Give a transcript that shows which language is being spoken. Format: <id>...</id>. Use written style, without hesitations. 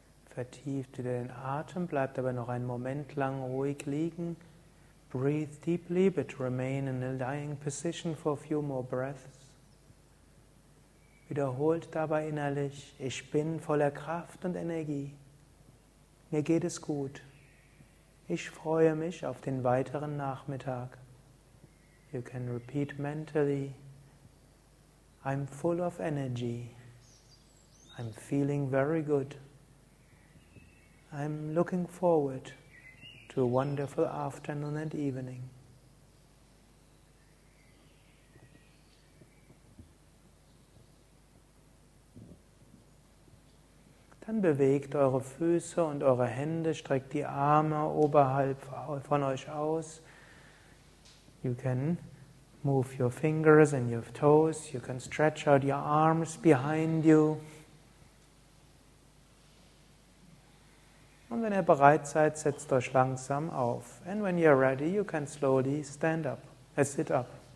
<de>Vertieft wieder den Atem, bleibt aber noch einen Moment lang ruhig liegen.</de> <en>Breathe deeply, but remain in a lying position for a few more breaths.</en> <de>Wiederholt dabei innerlich, ich bin voller Kraft und Energie. Mir geht es gut. Ich freue mich auf den weiteren Nachmittag.</de> <en>You can repeat mentally, I'm full of energy. I'm feeling very good. I'm looking forward to a wonderful afternoon and evening.</en> <de>Dann bewegt eure Füße und eure Hände, streckt die Arme oberhalb von euch aus.</de> <en>You can move your fingers and your toes. You can stretch out your arms behind you.</en> <de>Und wenn ihr bereit seid, setzt euch langsam auf.</de> <en>And when you're ready, you can slowly stand up, sit up.</en>